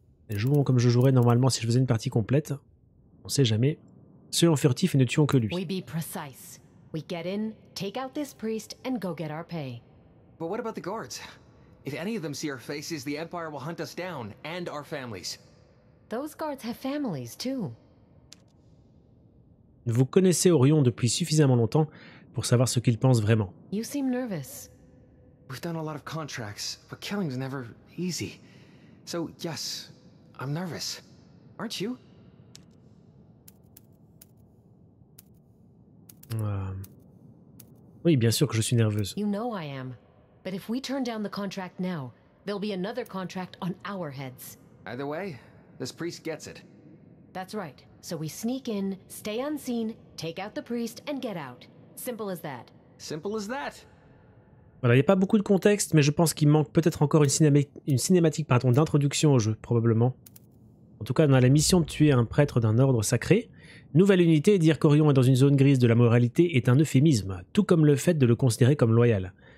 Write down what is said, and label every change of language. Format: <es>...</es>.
<fr>Jouons comme je jouerais normalement si je faisais une partie complète. On sait jamais. Soyons furtifs et ne tuons que lui.</fr> <en>We be precise. We get in, take out this priest, and go get our pay. But what about the guards? If any of them see our faces, the Empire will hunt us down and our families. Those guards have families too.</en> <fr>Vous connaissez Orion depuis suffisamment longtemps pour savoir ce qu'il pense vraiment.</fr> <en>You seem nervous. We've done a lot of contracts, but killing's never easy. So, yes, I'm nervous. Aren't you?</en> <fr>Oui, bien sûr que je suis nerveuse.</fr> <en>You know I am. But if we turn down the contract now, there'll be another contract on our heads. Either way, this priest gets it. That's right. So we sneak in, stay unseen, take out the priest, and get out. Simple as that. Simple as that.</en> <fr>Voilà, il n'y a pas beaucoup de contexte, mais je pense qu'il manque peut-être encore une cinématique d'introduction au jeu, probablement. En tout cas, on a la mission de tuer un prêtre d'un ordre sacré. Nouvelle unité, dire qu'Orion est dans une zone grise de la moralité est un euphémisme, tout comme le fait de le considérer comme loyal.</fr>